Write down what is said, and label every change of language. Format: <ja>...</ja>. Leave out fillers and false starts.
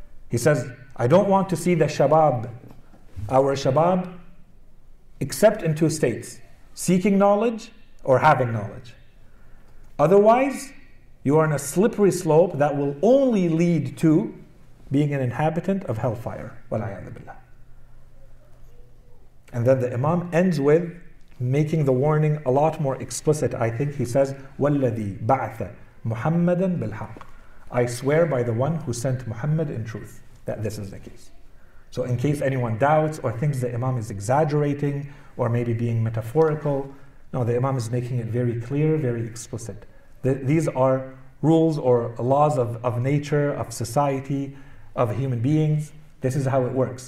<en>He says, I don't want to see the Shabab, our Shabab, except in two states, seeking knowledge or having knowledge. Otherwise, you are on a slippery slope that will only lead to being an inhabitant of hellfire.</en> <ar>وَلَعَيَذَ بِاللَّهِ.</ar> <en>And then the Imam ends with making the warning a lot more explicit, I think. He says,</en> <ar>وَالَّذِي بَعْثَ مُحَمَّدًا بِالْحَقِّ.</ar> <en>I swear by the one who sent Muhammad in truth that this is the case. So in case anyone doubts or thinks the Imam is exaggerating or maybe being metaphorical, no, the Imam is making it very clear, very explicit. These are rules or laws of nature, of society, of human beings. This is how it works.</en>